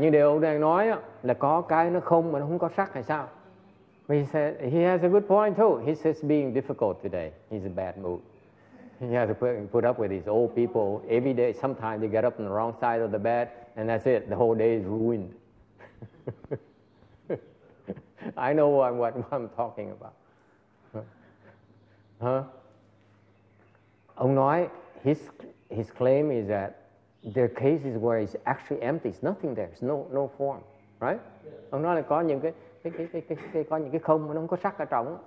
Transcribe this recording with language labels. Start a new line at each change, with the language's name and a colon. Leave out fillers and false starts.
Vietnamese: Như điều đang nói là có cái nó không mà nó không có sắc hay sao?
English: But he said he has a good point too. He says being difficult today. He's in a bad mood. He has to put up with these old people. Every day, sometimes they get up on the wrong side of the bed, and that's it. The whole day is ruined. I know what I'm talking about. Huh?
Vietnamese: Ông nói,
English: his claim is that there are cases where it's actually empty. It's nothing there. It's no form. Right? Yeah.
Vietnamese: Ông nói là có những cái có những cái không mà nó không có sắc ở trong.